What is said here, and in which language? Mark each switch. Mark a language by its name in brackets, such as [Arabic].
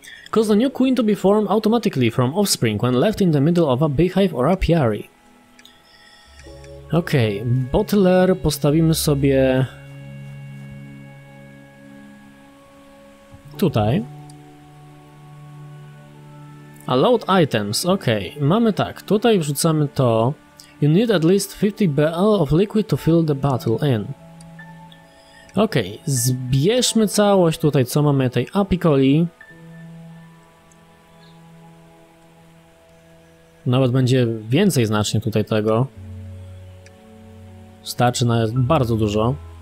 [English] Cause the new queen to be formed automatically from offspring when left in the middle of a beehive or apiary. Okej, okay. [Polish] Butler postawimy sobie... Tutaj. [English] Allowed items, okej. Okay. [Polish] Mamy tak, tutaj wrzucamy to... [English] You need at least 50 BL of liquid to fill the bottle in. [Polish] Okej, okay, zbierzmy całość tutaj, co mamy tej apikoli. Nawet będzie więcej znacznie tutaj tego. Starczy na bardzo dużo.